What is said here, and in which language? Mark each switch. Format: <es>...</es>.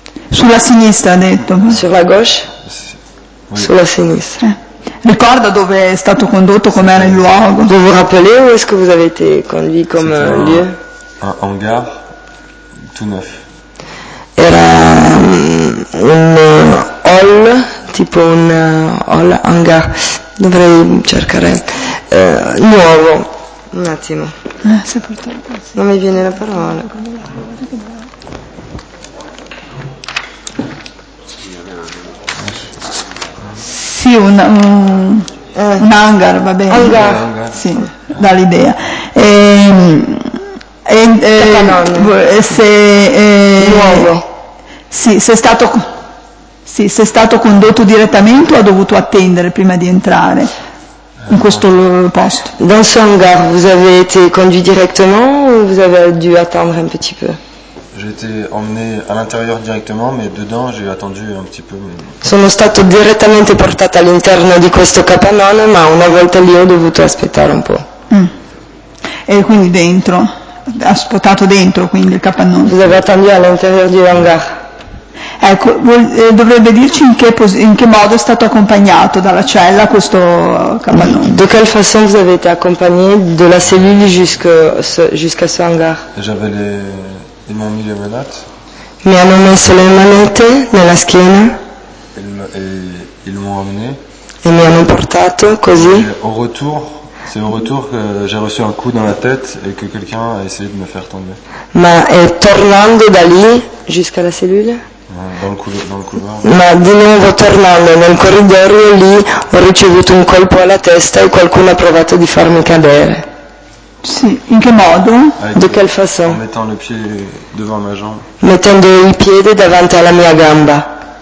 <it>Sulla sinistra, ha detto. Sulla gauche? Oui. Sulla sinistra. Ricorda dove è stato condotto, com'era il luogo?</it> <fr>Vous vous rappelez où est-ce que vous avez été conduit comme lieu? Un hangar tout neuf.</fr> <it>Era un hall, tipo un hall, hangar. Dovrei cercare. Nuovo. Un attimo. Non mi viene la parola. Sì, un hangar, va bene. Hangar. Sì, dà l'idea. Nuovo. Sì, se è stato condotto direttamente o ha dovuto attendere prima di entrare? in questo posto.</it> <fr>Dans ce hangar, vous avez été conduit directement ou vous avez dû attendre un petit peu? J'ai été emmené à l'intérieur directement, mais dedans j'ai attendu un petit peu. Mais...</fr> <it>Sono stato direttamente portato all'interno di questo capannone, ma una volta lì ho dovuto aspettare un po'. Mm. E quindi dentro, aspettato dentro quindi il capannone.</it> <fr>Vous avez attendu à l'intérieur du hangar.</fr> <it>Ecco, dovrebbe dirci in che modo è stato accompagnato dalla cella questo capannone.</it> <fr>De quelle façon vous avez été accompagné de la cellule jusqu'à ce hangar? J'avais les... Ils m'ont mis les manettes.</fr> <it>Mi hanno messo le manette nella schiena.</it> <fr>Ils m'ont amené.</fr> <it>E mi hanno portato così.</it> <fr>C'est au retour que j'ai reçu un coup dans la tête et que quelqu'un a essayé de me faire tomber.</fr> <it>Ma è tornando da lì</it> <fr>jusqu'à la cellule. Dans le couloir.</fr> <it>Ma di nuovo tornando nel corridoio, lì ho ricevuto un colpo alla testa e qualcuno ha provato di farmi cadere. Sì, in che modo?</it> <fr>De quelle façon? Mettant le pied devant ma jambe.</fr> <it>Mettendo il piede davanti alla mia gamba.</it>